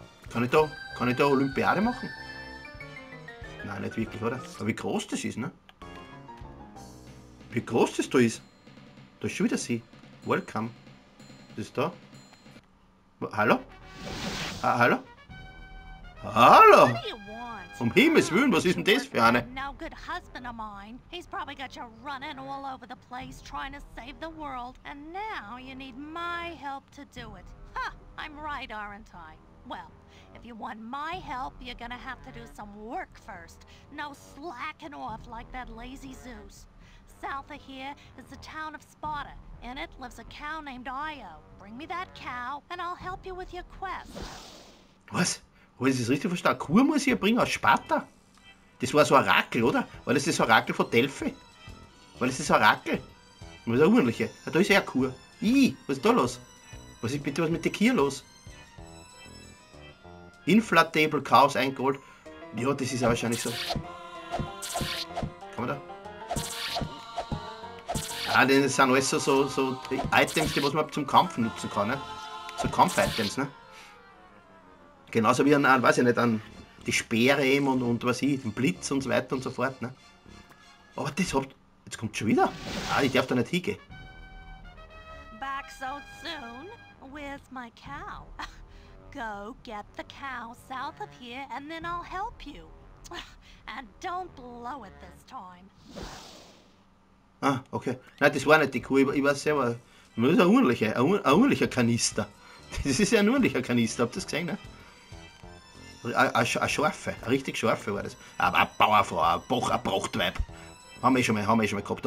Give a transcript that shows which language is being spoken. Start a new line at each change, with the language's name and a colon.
German: Kann ich da Olympiade machen? Nein, nicht wirklich, oder? Aber wie groß das ist, ne? Wie groß das da ist. Da ist schon wieder sie. Welcome. Das ist da. Hallo? Hallo? Hallo?
English: What do you want?
German: Um Himmels Willen, was ist denn das für eine?
English: Now good husband of mine. He's probably got you running all over the place trying to save the world. And now you need my help to do it. Ha! I'm right, aren't I? Well, if you want my help, you're gonna have to do some work first. No slacking off like that lazy Zeus. South of here is the town of Sparta. In it lives a cow named Io. Bring me that cow and I'll help you with your quest.
German: Was? Habe ich das richtig verstanden? Eine Kuh muss ich hier bringen aus Sparta? Das war so ein Orakel, oder? War das das Orakel von Delphi? War das das Orakel? Das ist eine Urnliche. Ja, da ist eine Kuh. Was ist da los? Was ist bitte was mit der Kuh los? Inflatable Chaos eingeholt. Ja, das ist ja wahrscheinlich so. Komm da. Ah, das sind alles so die Items, die was man zum Kampf nutzen kann. Ne? So Kampf-Items, ne? Genauso wie an, weiß ich nicht, an die Speere eben und was ich, den Blitz und so weiter und so fort. Ne? Aber das hat. Jetzt kommt schon wieder. Ah, ich darf da nicht hingehen.
English: Back so soon? Where's my cow? Go get the cow south of here and then I'll help you. And don't blow it this time. Ah, okay.
German: Nein, das war nicht die Kuh. Ich weiß selber. Das ist ein ordentlicher Kanister. Das ist ja ein ordentlicher Kanister. Habt ihr das gesehen, ne? Eine richtig scharfe war das. Aber eine Bauerfrau, ein Brachtweib. Haben wir schon mal gehabt.